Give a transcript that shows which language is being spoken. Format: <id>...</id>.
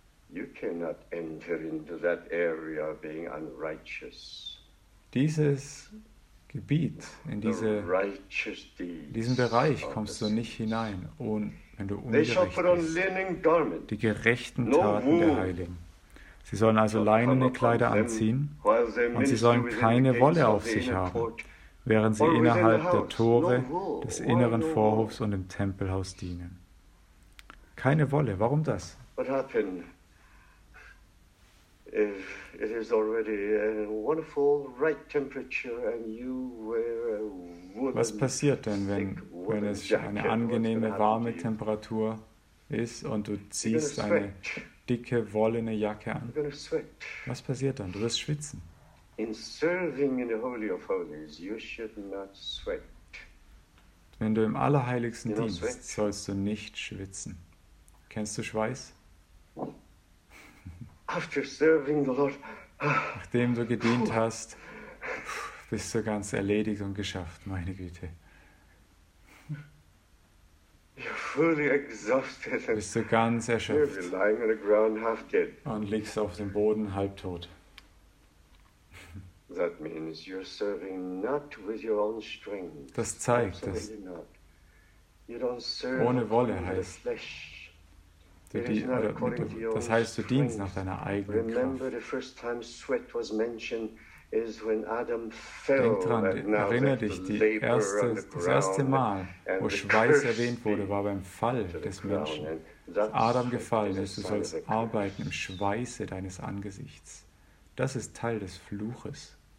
<en>You cannot enter into that area being unrighteous.</en> <de>Dieses Gebiet, in diesen Bereich kommst du nicht hinein, wenn du ungerecht bist. Die gerechten Taten der Heiligen. Sie sollen also leinene Kleider anziehen und sie sollen keine Wolle auf sich haben, während sie innerhalb der Tore des inneren Vorhofs und im Tempelhaus dienen. Keine Wolle, warum das?</de> <en>What happened? If it is already a wonderful right temperature and you wear a woolen,</en> <de>was passiert denn, wenn es eine angenehme, warme Temperatur ist und du ziehst eine dicke, wollene Jacke an? Was passiert dann? Du wirst schwitzen.</de> <en>In serving in the Holy of Holies, you should not sweat.</en> <de>Wenn du im Allerheiligsten dienst, sollst du nicht schwitzen. Kennst du Schweiß?</de> <en>After serving the Lord.</en> <de>Nachdem du gedient hast, bist du ganz erledigt und geschafft, meine Güte.</de> <en>You're fully exhausted.</en> <de>Bist du ganz erschöpft.</de> <en>You're lying on the ground half dead.</en> <de>Und liegst auf dem Boden halbtot.</de> <en>That means you're serving not with your own strength.</en> <de>Das zeigt, dass</de> <en>you don't serve</en> <de>ohne Wolle heißt. Das heißt, du dienst nach deiner eigenen Kraft.</de> <en>Remember, the first time sweat was mentioned is when Adam fell.</en> <de>Denk dran, erinnere dich, das erste Mal, wo Schweiß erwähnt wurde, war beim Fall des Menschen. Dass Adam gefallen ist, du sollst arbeiten im Schweiße deines Angesichts. Das ist Teil des Fluches.</de>